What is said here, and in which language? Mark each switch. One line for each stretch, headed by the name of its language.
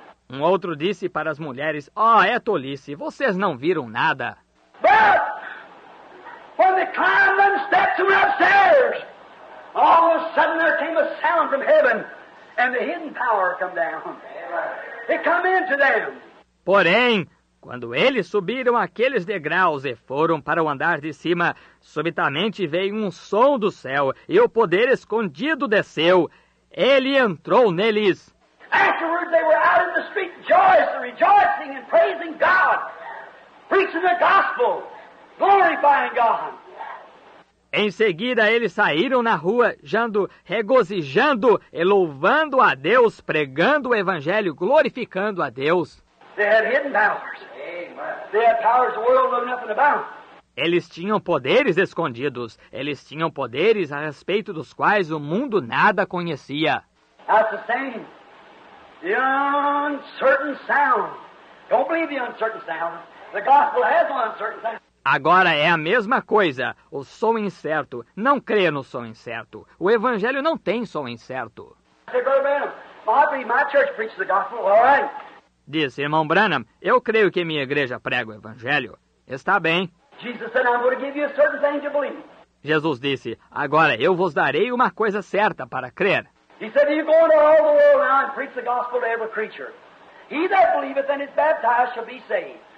Portuguese: Um outro disse para as mulheres, oh, é tolice, vocês não viram nada.
English: But when they climbed on the steps and went upstairs, all of a sudden there came a sound from heaven, and the hidden power come down. It come into them.
Portuguese: Porém, quando eles subiram aqueles degraus e foram para o andar de cima, subitamente veio um som do céu e o poder escondido desceu. Ele entrou neles.
English: Afterwards, they were out in the street, rejoicing and praising God, preaching the gospel, glorifying God.
Portuguese: Em seguida, eles saíram na rua, regozijando e louvando a Deus, pregando o evangelho, glorificando a Deus.
English: They had hidden powers. They had powers the world knew nothing about.
Portuguese: Eles tinham poderes escondidos. Eles tinham poderes a respeito dos quais o mundo nada conhecia.
English: That's the same. The uncertain sound. Don't believe the uncertain sound. The gospel has an uncertain sound.
Portuguese: Agora é a mesma coisa. O som incerto. Não creia no som incerto. O evangelho não tem som incerto.
English: Say, Brother Branham, my church preaches the gospel. All right.
Portuguese: Diz, irmão Branham, eu creio que minha igreja prega o evangelho. Está bem.
English: Jesus, said, I'm going to give you a certain thing to believe.
Portuguese: Jesus disse, agora eu vos darei uma coisa certa para crer.
English: He said, you go into all the world now and preach the gospel to every creature. He that believeth and is baptized shall be saved.